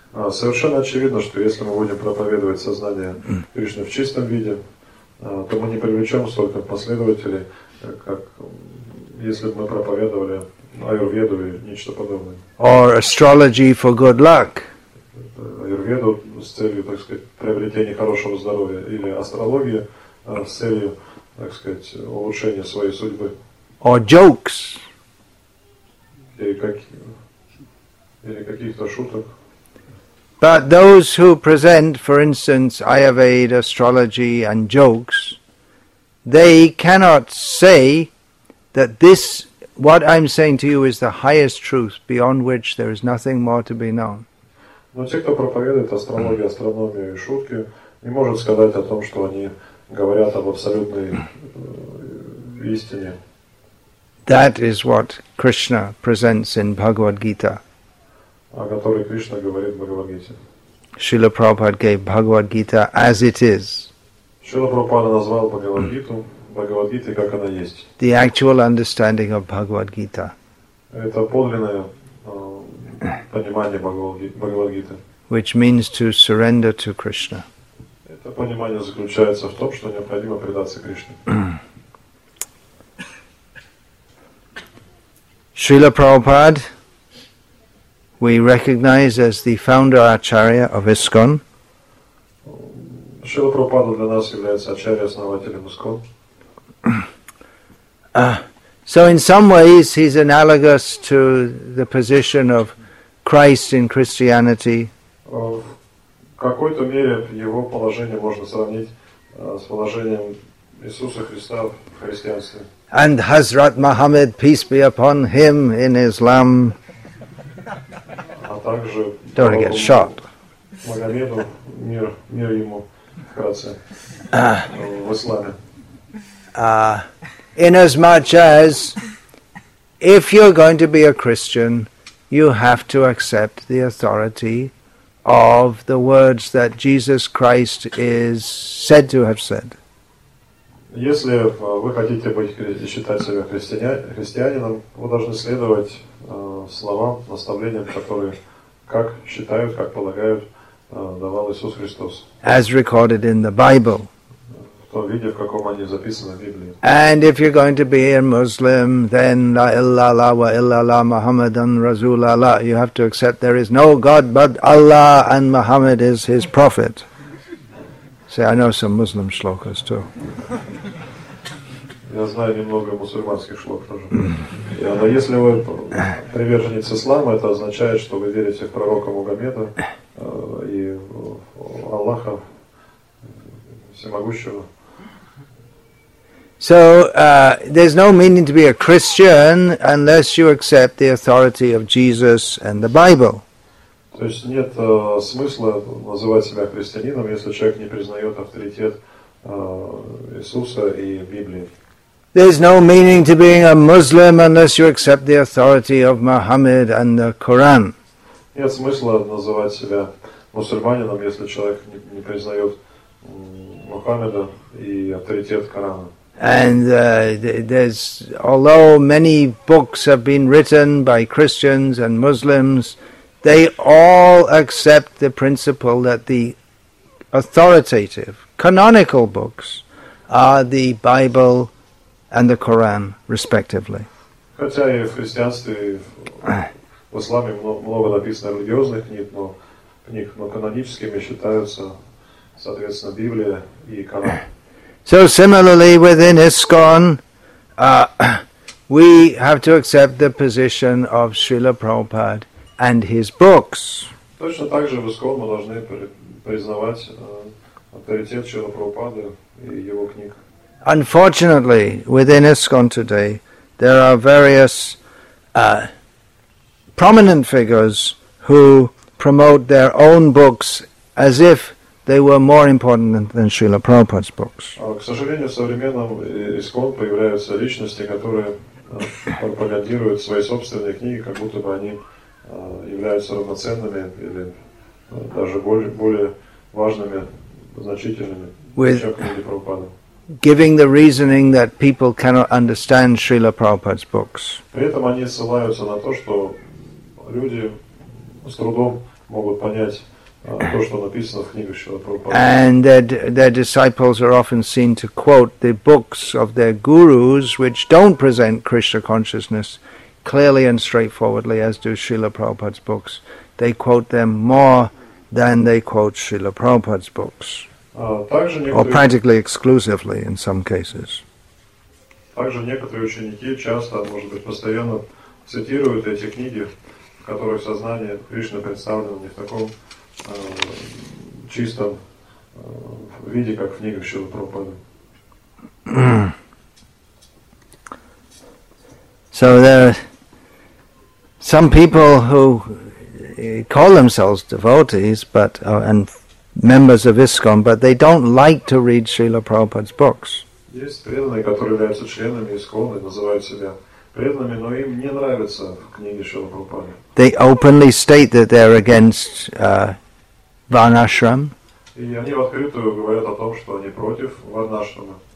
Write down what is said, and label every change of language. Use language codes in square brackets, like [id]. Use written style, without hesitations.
[ru] Совершенно очевидно, что если мы будем проповедовать сознание Кришны в чистом виде, то мы не привлечем столько последователей, как если бы мы проповедовали Аюрведу или нечто подобное. [en] Or astrology for good luck. [ru] Аюрведу с целью, так сказать, приобретения хорошего здоровья или астрологии с целью, так сказать, улучшения своей судьбы. [en] Or jokes. [ru] Или каких-то шуток. [en] But those who present, for instance, Ayurveda, astrology and jokes, they cannot say that this, what I'm saying to you, is the highest truth beyond which there is nothing more to be known. [ru] Но те, кто проповедует астрологию, астрономию и шутки, не может сказать о том, что они говорят об абсолютной истине. [en] That is what Krishna presents in Bhagavad Gita. [ru] О которой Кришна говорит в Бхагавад Гите. [en] Шрила Прабхупада gave Bhagavad Gita as it is. [ru] Шрила Прабхупада назвал Бхагавад Гиту, как она есть. [en] The actual understanding of Bhagavad Gita. [ru] Это подлинное понимание Бхагавад Гиты. [en] Which means to surrender to Krishna. [ru] Это понимание заключается в том, что необходимо предаться Кришне. [en] Шрила Прабхупада we recognize as the founder acharya of ISKCON. [ru] Шрила Прабхупада для нас является ачарья-основателем ISKCON. [en] So in some ways he's analogous to the position of Christ in Christianity. [ru] В какой-то мере его положение можно сравнить с положением Иисуса Христа в христианстве. [en] And Hazrat Muhammad, peace be upon him, in Islam. Don't want to get shot. [ru] Магомеду, мир ему, вкратце, в исламе. [en] Inasmuch as, if you're going to be a Christian, you have to accept the authority of the words that Jesus Christ is said to have said. [ru] Если вы хотите считать себя христианином, вы должны следовать словам, наставлениям, которые как считают, как полагают, давал Иисус Христос. [en] As recorded in the Bible. [ru] В том виде, в каком они записаны в Библии. [en] And if you're going to be a Muslim, then [ar] la illa la wa illa la Muhammadan Rasulallah. [en] You have to accept there is no God but Allah and Muhammad is his prophet. Say, I know some Muslim shlokas too. [ru] Я знаю немного мусульманских шлок тоже. Но если вы приверженец ислама, это означает, что вы верите в пророка Мухаммеда и в Аллаха Всемогущего. [en] So, there's no meaning to be a Christian unless you accept the authority of Jesus and the Bible. [ru] То есть нет смысла называть себя христианином, если человек не признает авторитет Иисуса и Библии. [en] There's no meaning to being a Muslim unless you accept the authority of Muhammad and the Quran. [ru] Нет смысла называть себя мусульманином, если человек не признает Мухаммеда и авторитет Корана. [en] And there's, although many books have been written by Christians and Muslims, they all accept the principle that the authoritative, canonical books are the Bible and the Quran, respectively. [ru] Хотя и в христианстве, и в исламе много написано религиозных книг, но книг, но каноническими считаются, соответственно, Библия и Коран. [en] So similarly within ISKCON, we have to accept the position of Srila Prabhupada and his books. [ru] Точно так же в ISKCON мы должны признавать авторитет Шрила Прабхупады и его книг. [en] Unfortunately, within ISKCON today, there are various prominent figures who promote their own books as if they were more important than Srila Prabhupada's books. [ru] К сожалению, в современном ISKCON появляются личности, которые пропагандируют свои собственные книги, как будто бы они являются равноценными или даже более важными, значительными, чем книги Прабхупады. [en] Giving the reasoning that people cannot understand Srila Prabhupada's books. [ru] При этом они ссылаются на то, что люди с трудом могут понять то, что написано в книгах Шрилы Прабхупады. [en] And their disciples are often seen to quote the books of their gurus, which don't present Krishna consciousness clearly and straightforwardly, as do Srila Prabhupada's books. They quote them more than they quote Srila Prabhupada's books. Or practically exclusively in some cases. [ru] Также некоторые ученики часто, может быть, постоянно цитируют эти книги, в которых сознание Кришны представлено не в таком чистом виде, как в книгах Шрилы Прабхупады. [en] So there are some people who call themselves devotees, but and members of ISKCON, but they don't like to read Srila Prabhupada's books. [ru] Есть преданные, которые являются членами ISKCON и называют себя преданными, но им не нравятся книги Шрилы Прабхупады. [en] They openly state that they're against Varnashram. [ru] И они в открытую говорят о том, что они против Варнашрама.